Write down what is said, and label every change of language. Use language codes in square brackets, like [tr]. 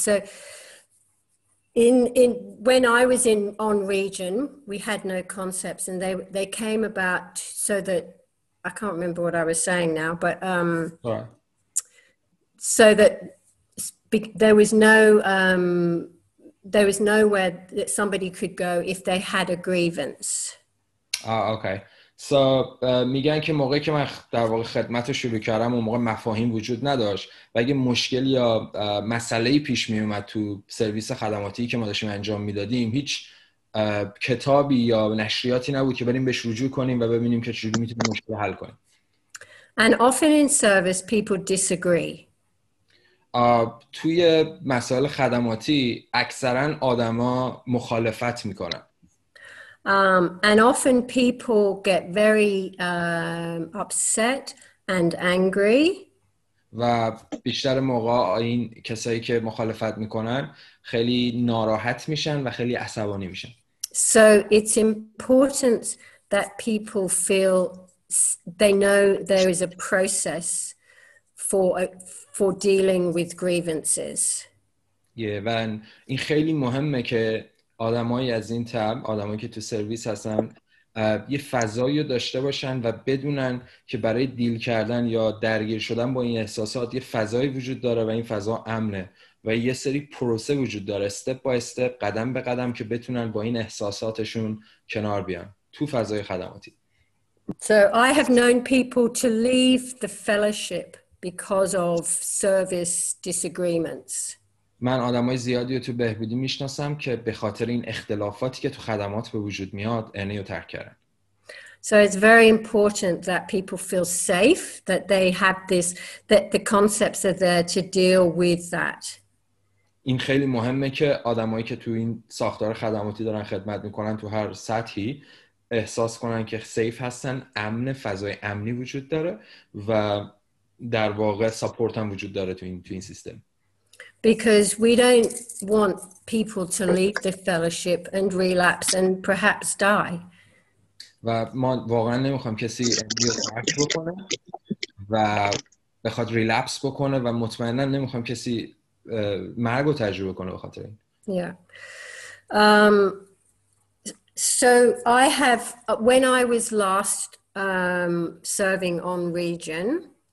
[en] So In when I was in on region, we had no concepts, and they came about so that I can't remember what I was saying now, but right. So that there was no there was nowhere that somebody could go if they had a grievance. Okay. So, [fa] میگن که موقعی که من در واقع خدمت رو شروع کردم اون موقع مفاهیم وجود نداشت و اگه مشکل یا مسئلهی پیش می اومد تو سرویس خدماتی که ما داشتیم انجام می دادیم هیچ کتابی یا نشریاتی نبود که بریم بهش رجوع کنیم و ببینیم که چجوری می تونیم مشکل حل کنیم. [en] And often in service people disagree. [fa] توی مسائل خدماتی اکثرا آدما مخالفت می کنن. [en] And often people get very upset and angry. [fa] و بیشتر موقع این کسایی که مخالفت میکنن خیلی ناراحت میشن و خیلی عصبانی میشن. [en] So it's important that people feel they know there is a process for dealing with grievances. [fa] Yeah, و این خیلی مهمه که آدمایی از این طب، آدمایی که تو سرویس هستن، یه فضایی رو داشته باشن و بدونن که برای دیل کردن یا درگیر شدن با این احساسات یه فضایی وجود داره و این فضا امنه و یه سری پروسه وجود داره، استپ با استپ، قدم به قدم که بتونن با این احساساتشون کنار بیان تو فضای خدماتی. [en] So I have known people to leave the fellowship because of service disagreements. [fa] من آدمای زیادی رو تو بهبودی میشناسم که به خاطر این اختلافاتی که تو خدمات به وجود میاد اینه رو ترک کردن. [en] So it's very important that people feel safe, that they have this, that the concepts are there to deal with that. [fa] این خیلی مهمه که آدمایی که تو این ساختار خدماتی دارن خدمت میکنن تو هر سطحی احساس کنن که سیف هستن، امن، فضای امنی وجود داره و در واقع سپورت هم وجود داره تو این سیستم. [en] Because we don't want people to leave the fellowship and relapse and perhaps die. [fa] و ما واقعا نمیخوام کسی بیاد ترک بکنه و بخواد ریلپس بکنه و مطمئنا نمیخوام کسی مرگ رو تجربه کنه بخاطر این. [en] Yeah. So I have when I was last serving on region.